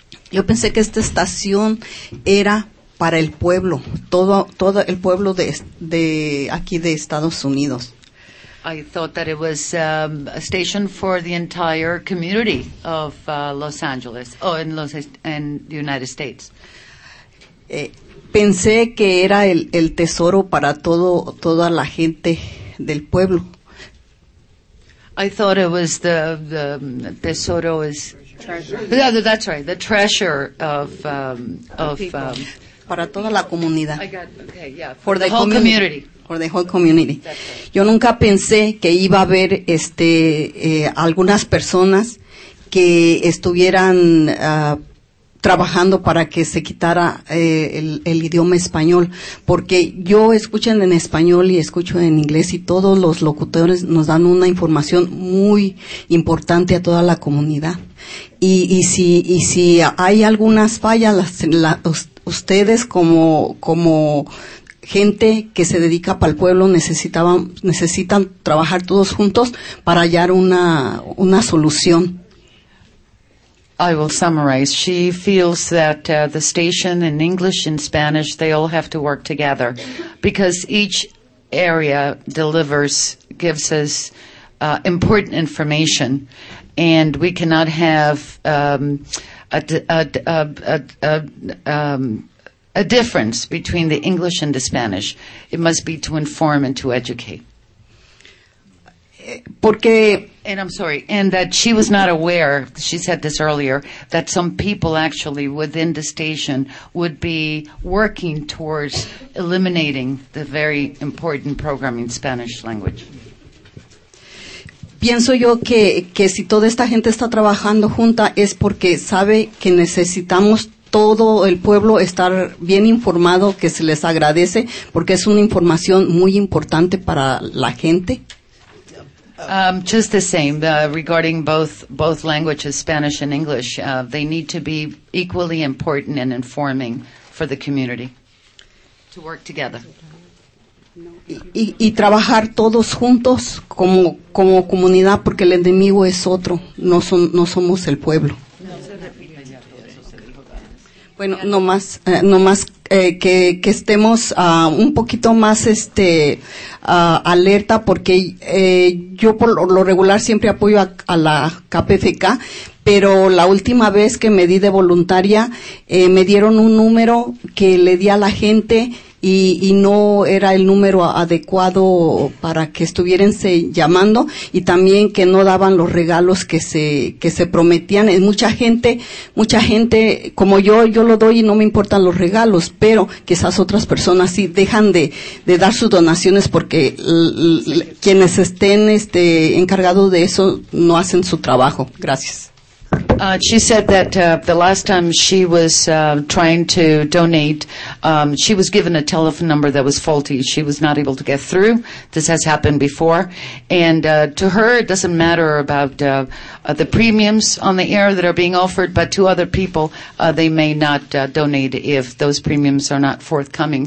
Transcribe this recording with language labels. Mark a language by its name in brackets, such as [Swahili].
[Spanish] Yo pensé que esta estación era para el pueblo, todo el pueblo de aquí de Estados Unidos. [English] I thought that it was a station for the entire community of Los Angeles, in the United States. [Spanish] Pensé que era el tesoro para toda la gente del pueblo. [English] I thought it was the tesoro is... Treasure. Yeah, that's right. The treasure of [Spanish] para toda la comunidad. [English] I got, okay, yeah. For the whole community. For the whole community. That's right. [Spanish] Yo nunca pensé que iba a haber algunas personas que estuvieran trabajando para que se quitara el idioma español, porque yo escucho en español y escucho en inglés y todos los locutores nos dan una información muy importante a toda la comunidad. Y si hay algunas fallas, ustedes como gente que se dedica para el pueblo necesitan trabajar todos juntos para hallar una solución. [English] I will summarize. She feels that the station in English and Spanish, they all have to work together because each area gives us important information, and we cannot have a difference between the English and the Spanish. It must be to inform and to educate. [Spanish] porque... [English] And I'm sorry, and that she was not aware, she said this earlier, that some people actually within the station would be working towards eliminating the very important programming Spanish language. [Spanish] Pienso yo que si toda esta gente está trabajando junta es porque sabe que necesitamos todo el pueblo estar bien informado, que se les agradece, porque es una información muy importante para la gente. [English] Just the same, regarding both languages, Spanish and English, they need to be equally important and informing for the community to work together. [Spanish] Y trabajar todos juntos como comunidad, porque el enemigo es otro, no somos el pueblo. Bueno, no más que estemos un poquito más alerta, porque yo por lo regular siempre apoyo a la KPFK, pero la última vez que me di de voluntaria me dieron un número que le di a la gente y no era el número adecuado para que estuviérense llamando, y también que no daban los regalos que se prometían. Mucha gente como yo lo doy y no me importan los regalos, pero quizás otras personas sí dejan de dar sus donaciones porque quienes estén encargados de eso no hacen su trabajo. Gracias. [English] She said that the last time she was trying to donate, she was given a telephone number that was faulty. She was not able to get through. This has happened before. And to her, it doesn't matter about the premiums on the air that are being offered, but to other people, they may not donate if those premiums are not forthcoming.